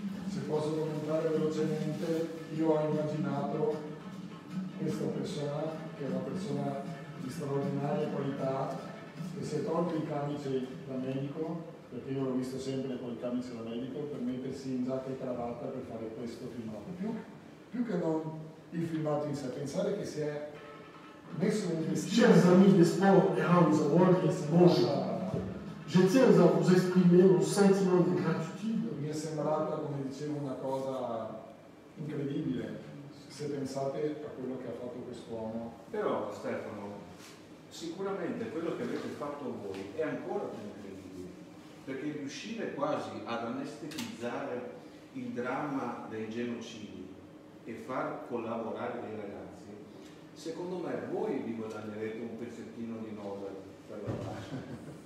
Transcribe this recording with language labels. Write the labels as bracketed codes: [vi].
[it] Se posso commentare velocemente, io ho immaginato questa persona, che è una persona di straordinaria qualità, che si è tolto i camici da medico, perché io l'ho visto sempre con i camici da medico, per mettersi in giacca e cravatta per fare questo filmato. Più che non il filmato in sé, pensare che si è messo un vestito. [fr] Chers amis de [en] sport around the world, [fr] bonjour. Je tiens à vous exprimer un sentiment de gratitude. [it] Mi è sembrata, come dicevo, una cosa incredibile. Se pensate a quello che ha fatto quest'uomo. Però Stefano, sicuramente quello che avete fatto voi è ancora più incredibile, perché riuscire quasi ad anestetizzare il dramma dei genocidi e far collaborare dei ragazzi, secondo me voi vi guadagnerete un pezzettino di Nobel per la pace.